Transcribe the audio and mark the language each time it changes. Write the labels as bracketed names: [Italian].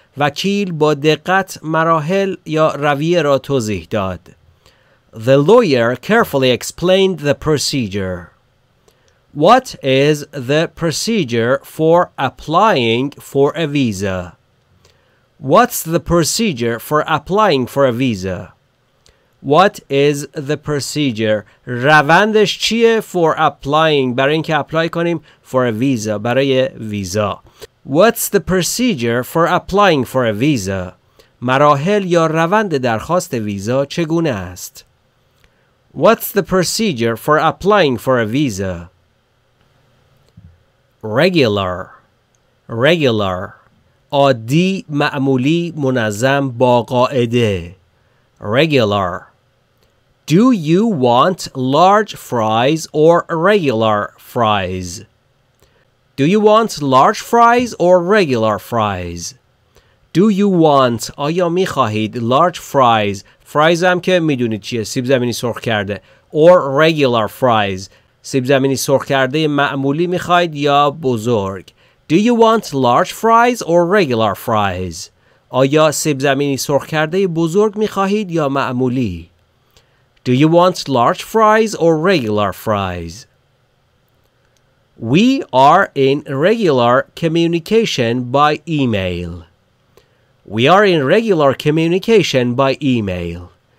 [Persian] وکیل با دقت مراحل یا رویه رو توضیح داد. [English] The lawyer carefully explained the procedure. What is the procedure for applying for a visa? What's the procedure for applying for a visa? What is the procedure? [Persian] روندش چیه [English] for applying, [Persian] برای اینکه apply کنیم [English] for a visa, [Persian] برای visa. [English] What's the procedure for applying for a visa? [Persian] مراحل یا روند درخواست ویزا چگونه است؟ [English] What's the procedure for applying for a visa? Regular. Regular. [Persian] عادی، معمولی، منظم، با قاعده. [English] Regular. Do you want large fries or regular fries? Do you want large fries or regular fries? Do you want, [Persian] آیا می خواهید [English] large fries, [Persian] fries هم که می دونید چیه سیب زمینی سرخ کرده, [English] or regular fries, [Persian] سیب زمینی سرخ کرده معمولی می خواهید یا بزرگ. [English] Do you want large fries or regular fries? [Persian] آیا سیب زمینی سرخ کرده بزرگ می خواهید یا معمولی؟ [English] Do you want large fries or regular fries? We are in regular communication by email. We are in regular communication by email.